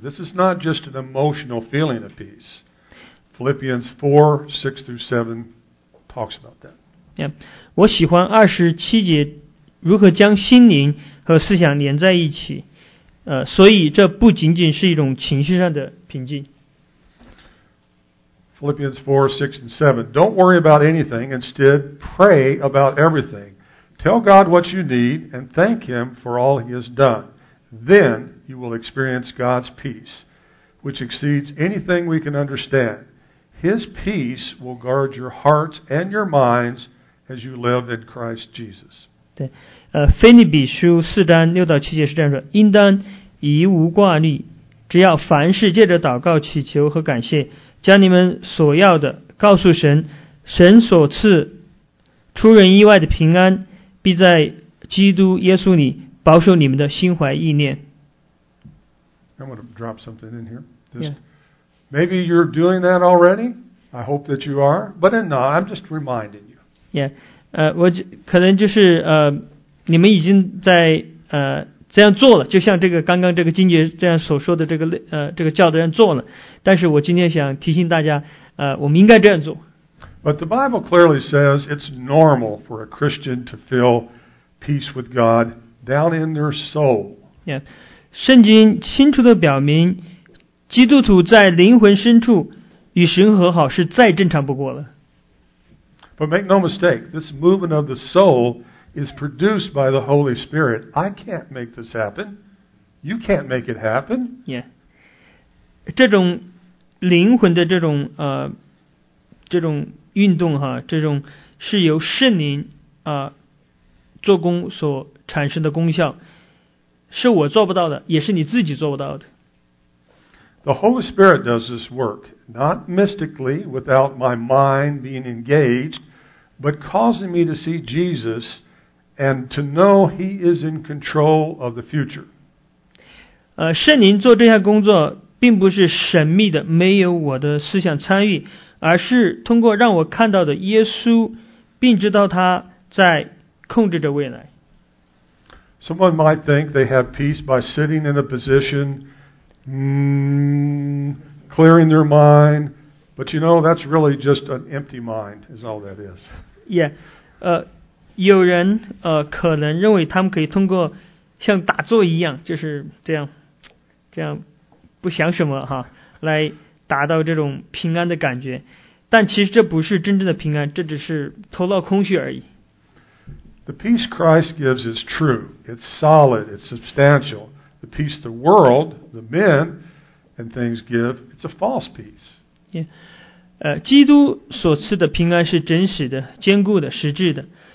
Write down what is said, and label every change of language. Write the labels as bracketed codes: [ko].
[en] This is not just an emotional feeling of peace. Philippians 4:6-7 talks about that. Yeah. [zh] 我喜欢27节如何将心灵和思想连在一起，所以这不仅仅是一种情绪上的平静。 [en] Philippians 4:6-7. Don't worry about anything. Instead, pray about everything. Tell God what you need and thank him for all he has done. Then you will experience God's peace, which exceeds anything we can understand. His peace will guard your hearts and your minds as you live in Christ Jesus. [zh] 对，腓立比书四章六到七节是这样说，应当以无挂虑，只要凡事借着祷告祈求和感谢，将你们所要的告诉神，神所赐出人意外的平安必在基督耶稣里保守你们的心怀意念。 [en] I'm going to drop something in here. Maybe you're doing that already. I hope that you are. But if not, I'm just reminding you. Yeah. [zh] 我可能就是你们已经在这样做了，就像这个刚刚这个经节这样所说的这个这个教导人做了。但是我今天想提醒大家，我们应该这样做。 [en] But the Bible clearly says it's normal for a Christian to feel peace with God down in their soul. Yeah. [zh] 圣经清楚地表明，基督徒在灵魂深处与神和好是再正常不过了。 [en] But make no mistake, this movement of the soul is produced by the Holy Spirit. I can't make this happen. You can't make it happen. Yeah. [zh] 这种灵魂的这种运动哈，这种是由圣灵做工所产生的功效。是我做不到的，也是你自己做不到的。 [en] The Holy Spirit does this work, not mystically without my mind being engaged, but causing me to see Jesus and to know He is in control of the future. [zh] 圣灵做这项工作并不是神秘的，没有我的思想参与，而是通过让我看到的耶稣，并知道他在控制着未来。 [en] Someone might think they have peace by sitting in a position, clearing their mind, but you know, that's really just an empty mind, is all that is. [zh] Yeah, 有人可能认为他们可以通过像打坐一样，就是这样不想什么哈，来达到这种平安的感觉，但其实这不是真正的平安，这只是头脑空虚而已。 [en] The peace Christ gives is true, it's solid, it's substantial. The peace the world, the men, and things give, it's a false peace. Yeah. [zh] 基督所赐的平安是真实的、坚固的、实质的。